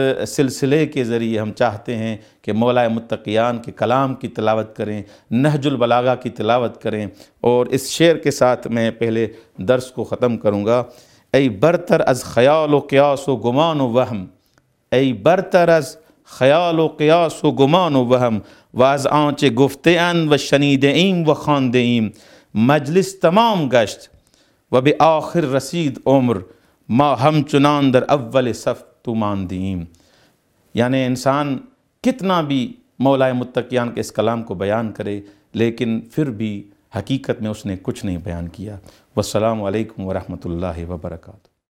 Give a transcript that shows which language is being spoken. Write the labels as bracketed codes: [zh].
[ur] سلسلے کے ذریعے ہم چاہتے ہیں کہ مولا متقیان کے کلام کی تلاوت کریں، نہج البلاغہ کی تلاوت کریں۔ اور اس شعر کے ساتھ میں پہلے درس کو ختم کروں گا، [fa] ای برتر از خیال و قیاس و گمان و وہم، ای برتر از خیال و قیاس و گمان و وهم و از آنچه گفته اند و شنیده ایم و خوانده ایم مجلس تمام گشت و به آخر رسید عمر ما همچنان در اول صف تو ماندیم. [ur] یعنی انسان کتنا بھی مولا متقیان کے اس کلام کو بیان کرے لیکن پھر بھی حقیقت میں اس نے کچھ نہیں بیان کیا. والسلام علیکم ورحمۃ اللہ وبرکاتہ.